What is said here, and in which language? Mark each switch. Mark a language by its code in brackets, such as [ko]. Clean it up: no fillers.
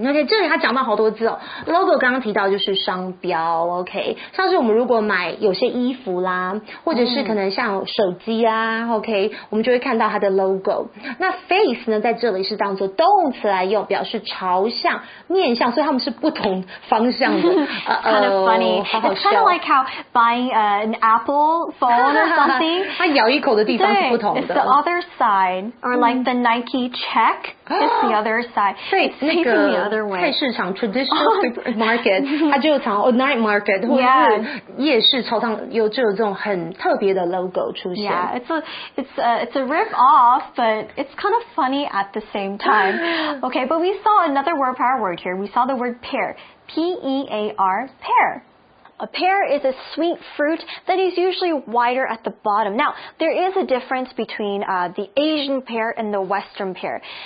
[zh] OK， 这里他讲到好多字哦， logo 刚刚提到就是商标。 OK， 像是我们如果买有些衣服啦，或者是可能像手机啊、嗯、OK， 我们就会看到它的 logo。那 face 呢在这里是当作动词来用，表示朝向面向，所以他们是不同方向的。 [en] Kind of funny， [zh] 好好笑。 [en] It's kind of like how buyingan Apple phone or something. [zh] 它咬一口的地方是不同的。 [en] It's the other side. Or like、嗯、the Nike check. It's the other side. [zh] 对，那个菜市场 [en] traditional supermarket [zh] 它就有常 [en] night market、 yeah. [zh] 或是夜市超商有就有这种很特别的 logo 出现。 [en] Yeah, it's a rip off, but it's kind of funny at the same time. Okay, but we saw another word pair word here. We saw the word pair. P-E-A-R, pair. A pear is a sweet fruit that is usually wider at the bottom. Now, there is a difference between the Asian pear and the Western pear.